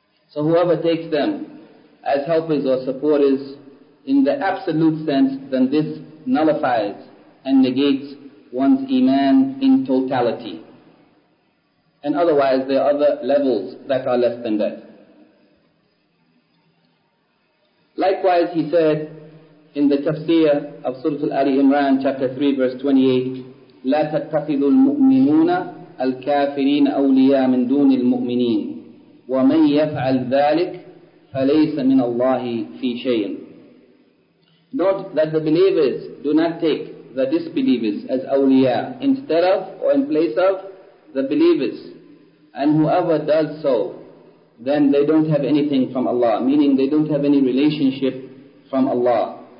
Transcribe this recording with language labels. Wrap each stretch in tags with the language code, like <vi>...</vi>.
<en>So whoever takes them as helpers or supporters, in the absolute sense, then this nullifies and negates one's iman in totality. And otherwise, there are other levels that are less than that. Likewise, he said in the tafsir of Surah Ali Imran, chapter 3, verse 28,</en> <ar>لا تتخذوا المؤمنون الكافرين أولياء من دون المؤمنين ومن يفعل ذلك فليس من الله في شيء.</ar> <en>Note that the believers do not take the disbelievers as awliya instead of or in place of the believers. And whoever does so, then they don't have anything from Allah, meaning they don't have any relationship from Allah.</en>